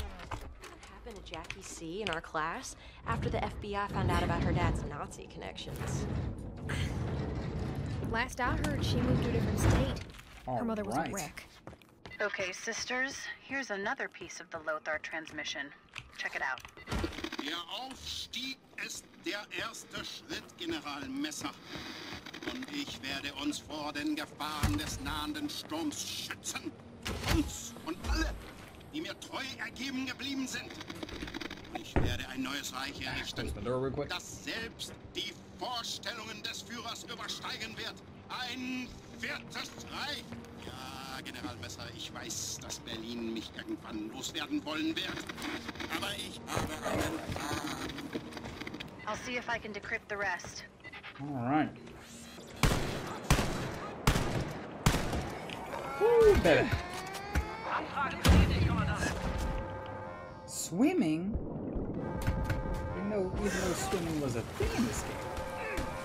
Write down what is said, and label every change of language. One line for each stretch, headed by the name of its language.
English: What happened to Jackie C in our class after the FBI found out about her dad's Nazi connections? Last I heard, she moved to a different state. All her mother right. was a wreck. Okay, sisters, here's another piece of the Lothar transmission. Check it out.
German: Der Aufstieg ist der erste Schritt, General Messer. Und ich werde uns vor den Gefahren des nahenden Sturms schützen. Uns und alle, die mir treu ergeben geblieben sind. Und ich werde ein neues Reich errichten, das selbst die Vorstellungen des Führers übersteigen wird. Ein viertes Reich. General Messer, ich weiß, dass Berlin mich irgendwann loswerden wollen wird, aber ich habe einen Plan.
English: I'll see if I can decrypt the rest. All right. Woo, better. Swimming? Even though swimming was a thing in this game.